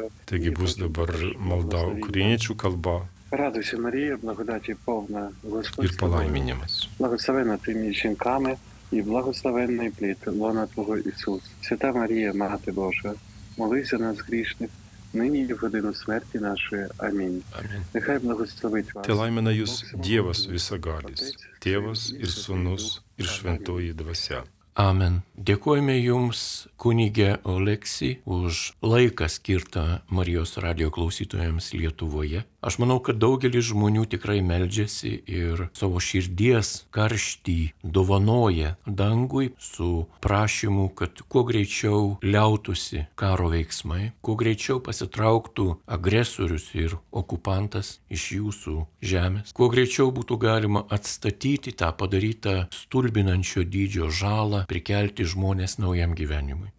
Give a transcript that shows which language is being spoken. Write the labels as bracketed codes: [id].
[lt] Taigi bus dabar malda ukrainiečių kalba. [uk] Радуйся, Марія, благодаті повна, Господь. І полайменімас. Благословена ти між жінками, і благословенний плід лона Твого, Ісус. Свята Марія, Мати Божа, молись за нас грішних, нині і в годину смерті нашої. Амінь. Амінь. Нехай благословить вас. [lt] Те лаймена юс Дєвас Висагаліс, Тєвас ір Сунус ір Швентої Двася. Amen. Dėkojame Jums, kunigė Oleksi, už laiką skirtą Marijos radio klausytojams Lietuvoje. Aš manau, kad daugelis žmonių tikrai meldžiasi ir savo širdies karštį dovanoja dangui su prašymu, kad kuo greičiau liautųsi karo veiksmai, kuo greičiau pasitrauktų agresorius ir okupantas iš jūsų žemės, kuo greičiau būtų galima atstatyti tą padarytą stulbinančio dydžio žalą, prikelti žmonės naujam gyvenimui.